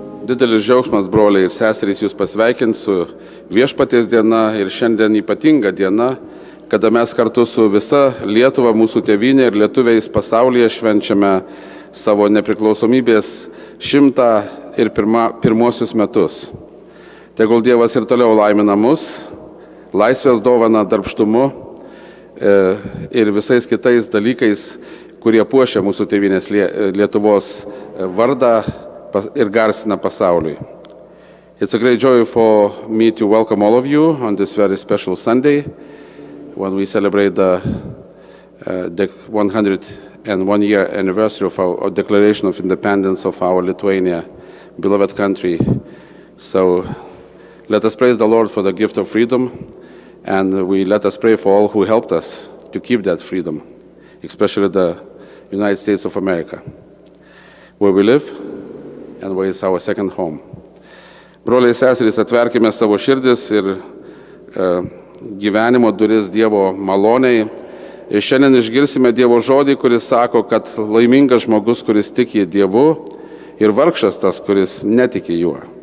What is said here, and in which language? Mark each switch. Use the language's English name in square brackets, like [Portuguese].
[Lithuanian] Didelis džiaugsmas, broliai ir seserys, jūs pasveikins su Viešpaties diena ir šiandien ypatinga diena, kada mes kartu su visa Lietuva, mūsų tėvynė ir lietuviais pasaulyje švenčiame savo nepriklausomybės 101 metus. Tegul Dievas ir toliau laimina mus, laisvės dovana darbštumu ir visais kitais dalykais, kurie puošia mūsų tėvynės Lietuvos vardą ir garsina pasauliui. [English] It's a great joy for me to welcome all of you on this very special Sunday when we celebrate the 101 year anniversary of our declaration of independence of our Lithuania, beloved country. So let us praise the Lord for the gift of freedom and let us pray for all who helped us to keep that freedom, especially the United States of America, where we live and where is our second home. [Lithuanian] Broliai seserys, atverkime savo širdis ir gyvenimo duris Dievo maloniai. Ir šiandien išgirsime Dievo žodį, kuris sako, kad laimingas žmogus, kuris tiki Dievu, ir vargšas tas, kuris netiki juo.